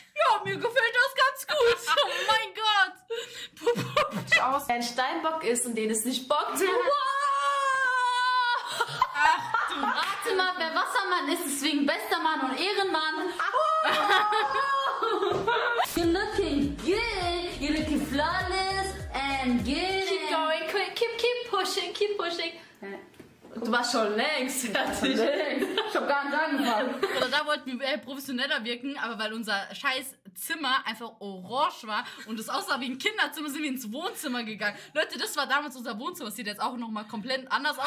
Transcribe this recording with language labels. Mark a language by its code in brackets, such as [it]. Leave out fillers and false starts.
[de] Ja, mir gefällt das ganz gut. Oh mein Gott. Pupupeng. Aus, wenn Steinbock ist und den es nicht bockt. Wow. Ach du. Warte mal, wer Wassermann ist, deswegen bester Mann und Ehrenmann. Oh. [en] You're looking good. You're looking flawless and good. Keep going, quick. Keep pushing. [de] Du warst schon längst fertig. Ich hab gar nicht angefangen. Oder da wollten wir professioneller wirken, aber weil unser scheiß Zimmer einfach orange war und es aussah wie ein Kinderzimmer, sind wir ins Wohnzimmer gegangen. Leute, das war damals unser Wohnzimmer. Das sieht jetzt auch nochmal komplett anders aus.